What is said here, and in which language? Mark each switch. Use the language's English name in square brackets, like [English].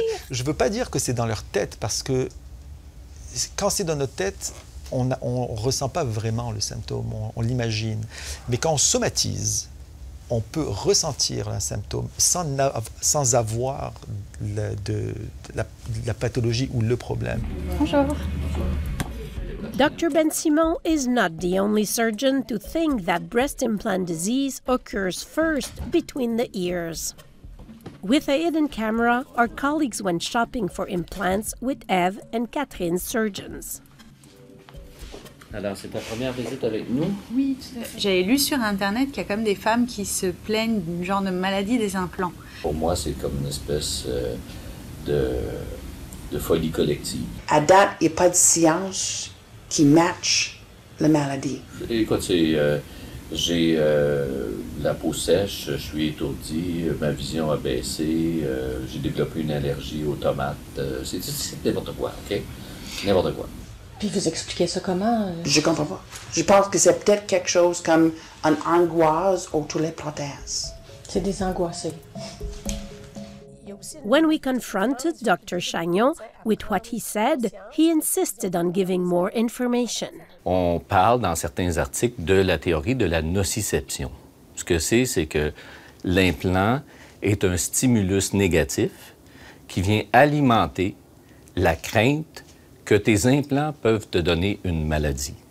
[French] Je ne veux pas dire que c'est dans leur tête, parce que quand c'est dans notre tête, on ressent pas vraiment le symptôme, on l'imagine. Mais quand on somatise, on peut ressentir un symptôme sans avoir la pathologie ou le problème. Bonjour. [English] Dr. Ben-Simon is not the only surgeon to think that breast implant disease occurs first between the ears. With a hidden camera, our colleagues went shopping for implants with Eve and Catherine's surgeons. [French] Alors, c'est ta première visite avec nous? Oui, tout à fait. J'avais lu sur Internet qu'il y a comme des femmes qui se plaignent d'une genre de maladie des implants. Pour moi, c'est comme une espèce de folie collective. À date, il n'y a pas de science qui match la maladie. Écoute, j'ai la peau sèche, je suis étourdi, ma vision a baissé, j'ai développé une allergie aux tomates. C'est n'importe quoi, OK? N'importe quoi. Puis vous expliquez ça comment? Je comprends pas. Je pense que c'est peut-être quelque chose comme une angoisse autour des prothèses. C'est des angoissés. [English] When we confronted Dr. Chagnon with what he said, he insisted on giving more information. [French] On parle dans certains articles de la théorie de la nociception. Ce que c'est que l'implant est un stimulus négatif qui vient alimenter la crainte que tes implants peuvent te donner une maladie.